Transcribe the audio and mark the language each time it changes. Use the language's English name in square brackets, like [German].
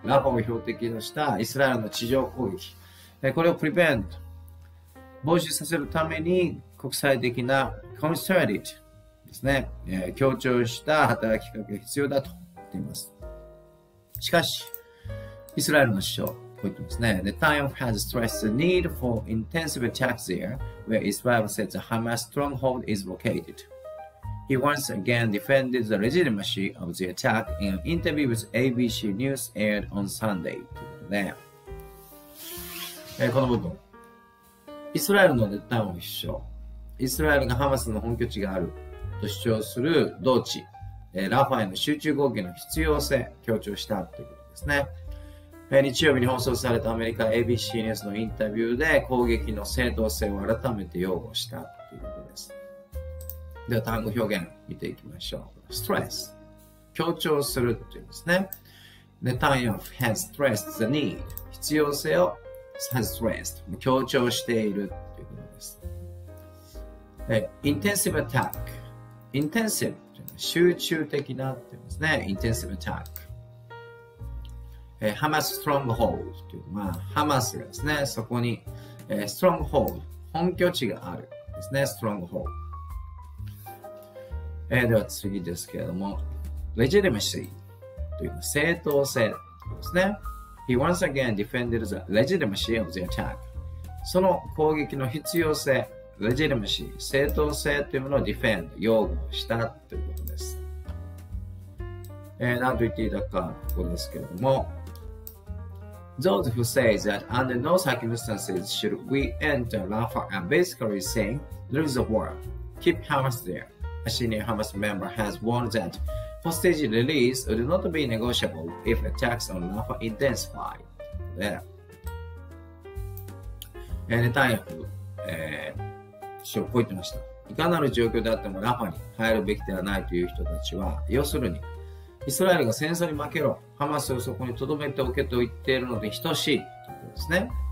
[Japanese] ラファを標的としたイスラエルの地上攻撃。これを prevent、防止させるために、国際的な concerted ですね。協調した働きかけが必要だと言っています。しかし、イスラエルの首相、ポイントですね。 [English] The Times has stressed the need for intensive attacks there, where Israel said the Hamas stronghold is located. He once again defended the legitimacy of the attack in an interview with ABC News aired on Sunday. [Japanese] ということで、この部分。イスラエルのネタも一緒。イスラエルがハマスの本拠地があると主張する同地、ラファへの集中攻撃の必要性を強調したということですね。日曜日に放送されたアメリカ ABC ニュースのインタビューで攻撃の正当性を改めて擁護したということです。では単語表現見ていきましょう。ストレス。強調するというんですね。 [English] ネタニヤフ has stressed the need. 必要性を has stressed. [Japanese] 強調しているということです。 intensive attack. intensive というのは集中的なというんですね。intensive attack. ハマスストロングホールドというのは、ハマスがですね、そこに、ストロングホールド、本拠地があるですね、ストロングホールド。では次ですけれども、レジティマシーというのは正当性ですね。 [English] He once again defended the legitimacy of the attack. [Japanese] その攻撃の必要性、レジティマシー、正当性というものをディフェンド、擁護したということです。 [English] 何と言っていたか、ここですけれども、 Those who say that under no circumstances should we enter Rafah are basically saying, lose the war, keep Hamas there. A senior Hamas member has warned that hostage release would not be negotiable if attacks on Rafah intensify. There. [Japanese] ネタニヤフ、首相こう言ってました。いかなる状況であってもRafahに入るべきではないという人たちは、要するに、イスラエルが戦争に負けろ、ハマスをそこに留めておけと言っているので等しいということですね。